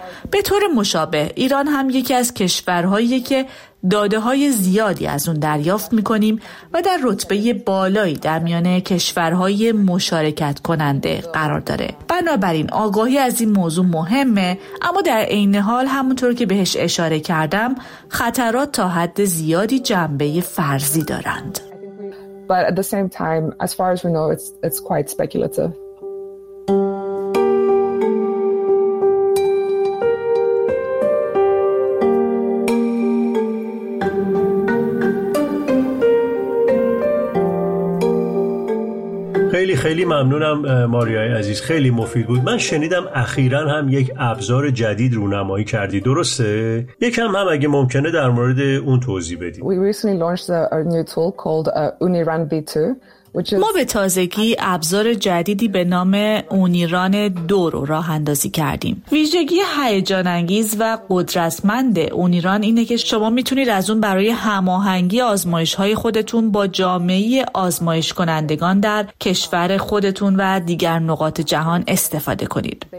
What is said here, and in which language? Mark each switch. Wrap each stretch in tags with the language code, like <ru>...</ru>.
<fa>به طور مشابه ایران هم یکی از کشورهایی که داده های زیادی از اون دریافت می کنیم و در رتبه بالایی در میان کشورهای مشارکت کننده قرار داره. بنابراین آگاهی از این موضوع مهمه، اما در عین حال همونطور که بهش اشاره کردم خطرات تا حد زیادی جنبه فرضی دارند.</fa> <en>But at the same time, as far as we know, it's quite speculative.</en> <fa>خیلی ممنونم ماریای عزیز، خیلی مفید بود. من شنیدم اخیراً هم یک ابزار جدید رونمایی کردی، درسته؟ یکم هم اگه ممکنه در مورد اون توضیح بدی.</fa> <en>We recently launched a new tool called Uniran V2.</en> <fa>ما به تازگی ابزار جدیدی به نام اونیران 2 رو راه اندازی کردیم. ویژگی هیجان انگیز و قدرتمند اونیران اینه که شما میتونید از اون برای هماهنگی آزمایش‌های خودتون با جامعه آزمایش کنندگان در کشور خودتون و دیگر نقاط جهان استفاده کنید.</fa>